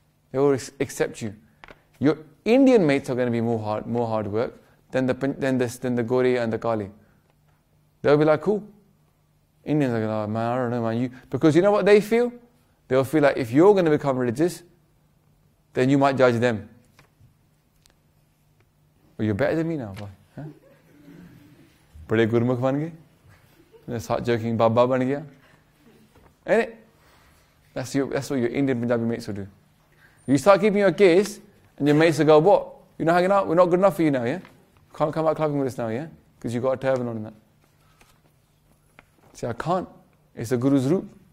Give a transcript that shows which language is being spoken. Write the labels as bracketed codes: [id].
[en] They will accept you. Your Indian mates are going to be more hard work than the Gori and the Kali. They'll be like, cool. Indians are going to be like, man, I don't know, man. Because you know what they feel? They'll feel like if you're going to become religious, then you might judge them. Well, you're better than me now, boy. [pa] ਬੜੇ ਗੁਰਮੁਖ ਬਣ ਗਏ. [en] They start joking, [pa] ਬਾਬਾ ਬਣ ਗਿਆ. [en] And that's what your Indian Punjabi mates will do. You start keeping your kiss, and your mates will go, what? You're not hanging out? We're not good enough for you now, yeah? Can't come out clubbing with us now, yeah? Because you've got a turban on and that. See, I can't. It's a guru's root.